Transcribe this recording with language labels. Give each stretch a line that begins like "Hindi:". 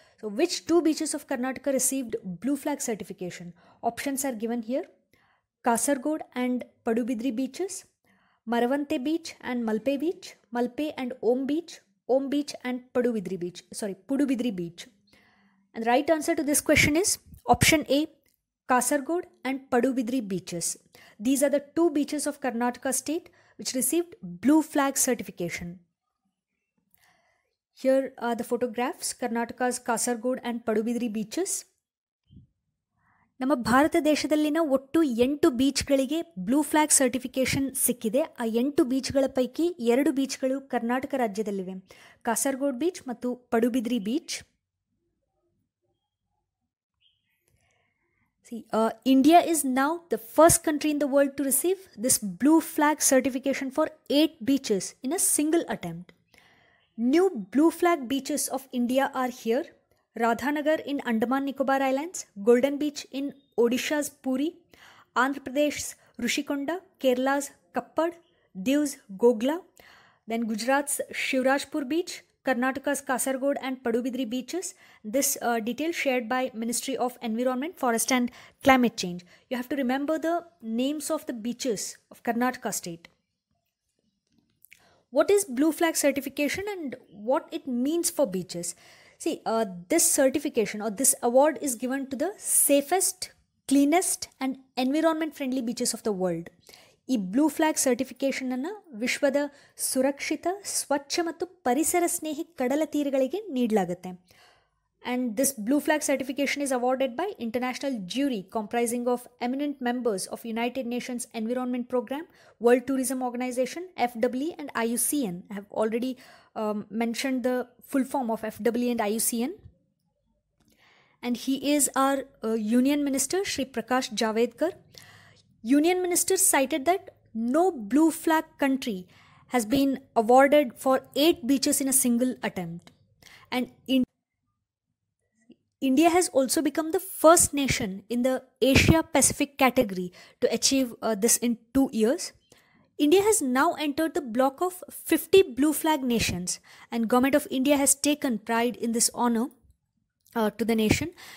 English: So which two beaches of Karnataka received blue flag certification? Options are given here: Kasargod and Padubidri beaches, Maravanthe beach and Malpe beach, Malpe and Om beach, Om beach and Padubidri beach, sorry, Padubidri beach. And the right answer to this question is option A, Kasargod and Padubidri beaches. These are the two beaches of Karnataka state which received blue flag certification. Here are the photographs, Karnataka's Kasargod and Padubidri beaches. ನಮ್ಮ ಭಾರತ ದೇಶದಲ್ಲಿನ ಒಟ್ಟು 8 ಬೀಚ್ಗಳಿಗೆ blue flag certification ಸಿಕ್ಕಿದೆ. ಆ 8 ಬೀಚ್ಗಳ ಪೈಕಿ 2 ಬೀಚ್ಗಳು ಕರ್ನಾಟಕ ರಾಜ್ಯದಲ್ಲಿವೆ, ಕಾಸರಗೋಡ್ ಬೀಚ್ ಮತ್ತು Padubidri beach. India is now the first country in the world to receive this blue flag certification for 8 beaches in a single attempt. New blue flag beaches of India are here: Radhanagar in Andaman Nicobar Islands, Golden Beach in Odisha's Puri, Andhra Pradesh's Rishikonda, Kerala's Kappad, Diu's Gogla, then Gujarat's Shivrajpur Beach, Karnataka's Kasargod and Padubidri beaches. This detail shared by Ministry of Environment, Forest and Climate Change. You have to remember the names of the beaches of Karnataka state. What is blue flag certification and what it means for beaches? See, this certification or this award is given to the safest, cleanest and environment friendly beaches of the world.
Kannada: ಈ blue flag ಸರ್ಟಿಫಿಕೇಷನನ್ನು ವಿಶ್ವದ ಸುರಕ್ಷಿತ, ಸ್ವಚ್ಛ ಮತ್ತು ಪರಿಸರ ಸ್ನೇಹಿ ಕಡಲ ತೀರಗಳಿಗೆ ನೀಡಲಾಗುತ್ತೆ.
English: And this blue flag certification is awarded by international jury comprising of eminent members of United Nations Environment Programme, World Tourism Organization FEE and IUCN. I have already mentioned the full form of FEE and IUCN. And he is our union minister, Shri Prakash Javadekar. Union Minister cited that no blue flag country has been awarded for 8 beaches in a single attempt. And India has also become the first nation in the Asia-Pacific category to achieve this in 2 years. India has now entered the block of 50 blue flag nations, and Government of India has taken pride in this honor to the nation.